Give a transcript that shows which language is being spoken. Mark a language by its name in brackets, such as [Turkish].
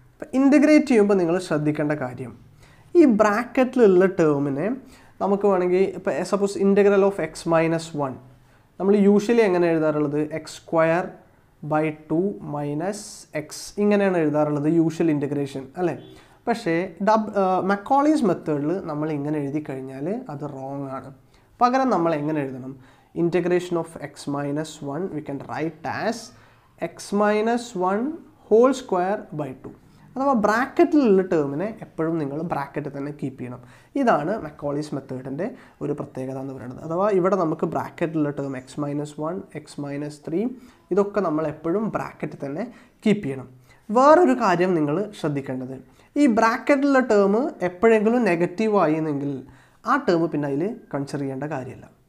[Malayalam] അപ്പോൾ ഇൻ്റഗ്രേറ്റ് ചെയ്യുമ്പോൾ നിങ്ങൾ ശ്രദ്ധിക്കേണ്ട കാര്യം, ഈ ബ്രാക്കറ്റിലുള്ള ടേമിനെ നമുക്ക് വേണമെങ്കിൽ, ഇപ്പോൾ suppose integral of X minus 1, നമ്മൾ യൂഷ്വലി എങ്ങനെ എഴുതാറുള്ളത്, x² / 2 − x ഇങ്ങനെയാണ് എഴുതാറുള്ളത് യൂഷ്വൽ ഇൻ്റഗ്രേഷൻ അല്ലേ. പക്ഷേ മക്വാളീസ് മെത്തേഡിൽ നമ്മൾ ഇങ്ങനെ എഴുതി കഴിഞ്ഞാൽ അത് റോങ് ആണ്. പകരം നമ്മൾ എങ്ങനെ എഴുതണം, [English] integration of x minus 1 we can write as x minus 1 whole square by 2. [Malayalam] അഥവാ ബ്രാക്കറ്റിലുള്ള ടേമിനെ എപ്പോഴും നിങ്ങൾ ബ്രാക്കറ്റ് തന്നെ കീപ്പ് ചെയ്യണം. ഇതാണ് മക്കോളീസ് മെത്തേഡിൻ്റെ ഒരു പ്രത്യേകത എന്ന് പറയുന്നത്. അഥവാ ഇവിടെ നമുക്ക് ബ്രാക്കറ്റിലുള്ള term X minus one, X minus three, ഇതൊക്കെ നമ്മൾ എപ്പോഴും ബ്രാക്കറ്റ് തന്നെ കീപ്പ് ചെയ്യണം. വേറൊരു കാര്യം നിങ്ങൾ ശ്രദ്ധിക്കേണ്ടത്, ഈ ബ്രാക്കറ്റിലുള്ള ടേം എപ്പോഴെങ്കിലും നെഗറ്റീവ് ആയിരുന്നെങ്കിൽ ആ ടേം പിന്നെ അതിൽ കൺസിഡർ ചെയ്യേണ്ട കാര്യമില്ല.